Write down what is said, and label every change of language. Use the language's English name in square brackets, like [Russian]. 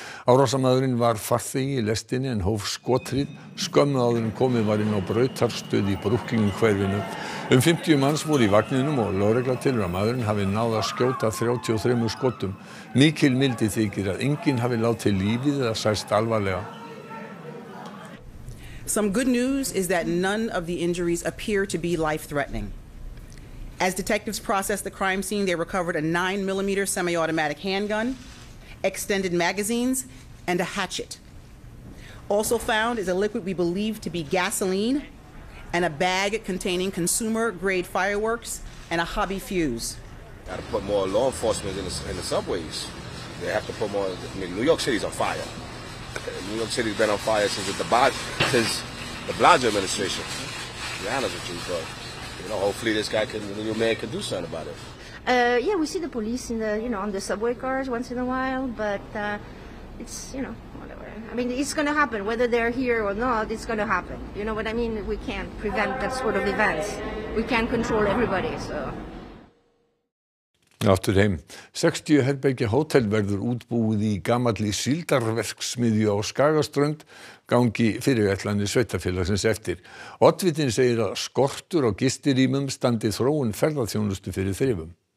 [Icelandic] Árásarmaðurinn var farþegi í lestinni en hóf skothríð. Skömmuáðurinn komið var inn á brautarstöð í Brooklyn hverfinu. 50 manns voru í vagninum og lögregla telur að maðurinn hafi náð að skjóta 33 skotum. Mikil mildi þykir að enginn hafi látið lífið eða sæst alvarlega. [English] Some good news is that none of the injuries appear to be life-threatening. As detectives processed the crime scene, they recovered a 9mm semi-automatic handgun, extended magazines, and a hatchet. Also found is a liquid we believe to be gasoline and a bag containing consumer-grade fireworks and a hobby fuse. Gotta put more law enforcement in the subways. They have to put more, I mean, New York City's on fire. New York City's been on fire since the Blasio administration. To be honest with you, but you know, hopefully this guy can, the new mayor can do something about it. Yeah, we see the police in the, you know, on the subway cars once in a while, but it's, you know, whatever. I mean, it's going to happen whether they're here or not. It's going to happen. You know what I mean? We can't prevent that sort of events. We can't control everybody. So. [Icelandic] Aftur heim. 60 herbergja hótel verður útbúið í gamalli síldarverksmiðju á Skagaströnd gangi fyrirætlanir sveitarfélagsins eftir. Oddvitinn segir að skortur á gistirýmum standi þróun ferðaþjónustu fyrir þrifum.